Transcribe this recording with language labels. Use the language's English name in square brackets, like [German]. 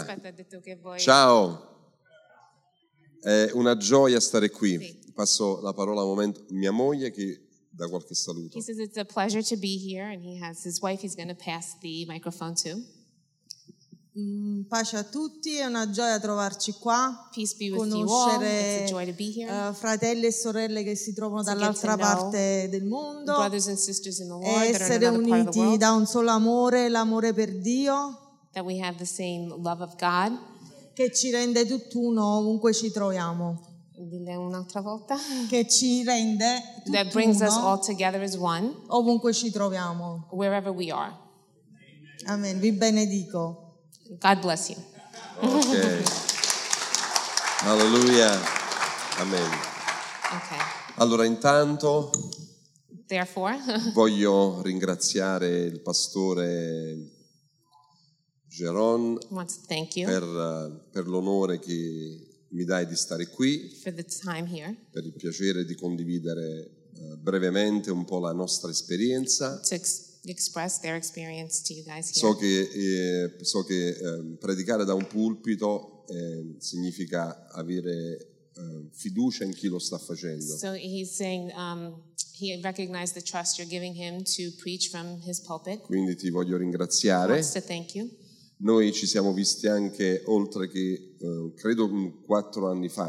[Italian] Aspetta, ha detto che voi... Ciao. È una gioia stare qui. Sì. Passo la parola un momento a mia moglie che dà qualche saluto. [English] He says it's a pleasure to be here, and he has his wife. He's going to pass the microphone to. [Italian] Pace a tutti. È una gioia trovarci qua. [English] Peace be with [Italian] conoscere [English] you all. [Italian] Fratelli e sorelle che si trovano dall'altra parte del mondo. [English] Brothers and sisters in the world. [Italian] E essere uniti da un solo amore, l'amore per Dio. [English] That we have the same love of God, [Italian] che ci rende tutt'uno ovunque ci troviamo, dille un'altra volta. Che ci rende tutto [English] that brings [Italian] uno, [English] us all together as one. [Italian] Ovunque ci troviamo. [English] Wherever we are. [Italian] Amen. Vi benedico. [English] God bless you. Okay. Hallelujah. Amen. Okay. [Italian] Allora, intanto, [English] therefore, [Italian] voglio ringraziare il pastore Jeron per l'onore che mi dai di stare qui, [English] for the time here, [Italian] per il piacere di condividere brevemente un po' la nostra esperienza. [English] Express their experience to you guys here. [Italian] So che predicare da un pulpito significa avere fiducia in chi lo sta facendo. [English] So he's saying he recognized the trust you're giving him to preach from his pulpit. [Italian] Quindi ti voglio ringraziare. [English] He wants to thank you. [Italian] Noi ci siamo visti anche oltre che credo 4 anni fa